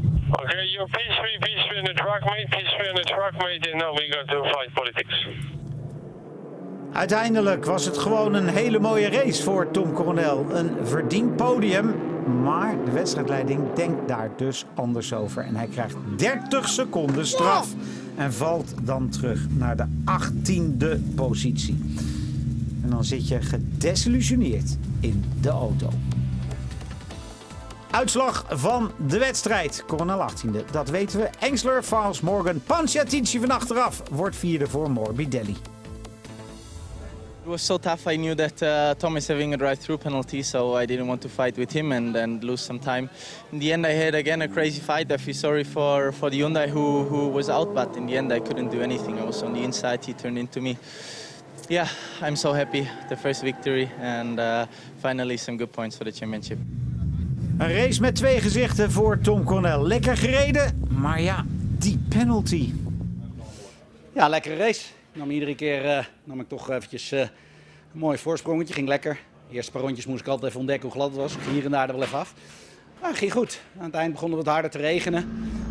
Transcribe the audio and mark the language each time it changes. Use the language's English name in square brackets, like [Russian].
[English] Oké, okay, you're P3, P3 in the truck, mate, P3 in the truck, mate, and now we go to fight politics. [Dutch] Uiteindelijk was het gewoon een hele mooie race voor Tom Coronel. Een verdiend podium, maar de wedstrijdleiding denkt daar dus anders over. En hij krijgt 30 seconden straf en valt dan terug naar de 18e positie. En dan zit je gedesillusioneerd in de auto. Uitslag van de wedstrijd. Coronel 18e, dat weten we. Engsler, Files, Morgan, Panciatici van achteraf wordt 4e voor Morbidelli. [English] It was so tough. I knew that Tom is having a drive-through penalty, so I didn't want to fight with him and lose some time. In the end, I had again a crazy fight. I feel sorry for the Hyundai who was out, but in the end, I couldn't do anything. I was on the inside. He turned into me. Yeah, I'm so happy. The first victory and finally some good points for the championship. [Dutch] Een race met twee gezichten voor Tom Coronel. Lekker gereden, maar ja, die penalty. Ja, lekkere race. Nam ik toch eventjes een mooi voorsprongetje, ging lekker. De eerste paar rondjes moest ik altijd even ontdekken hoe glad het was. Ik ging hier en daar er wel even af. Maar het ging goed. Aan het eind begon het wat harder te regenen.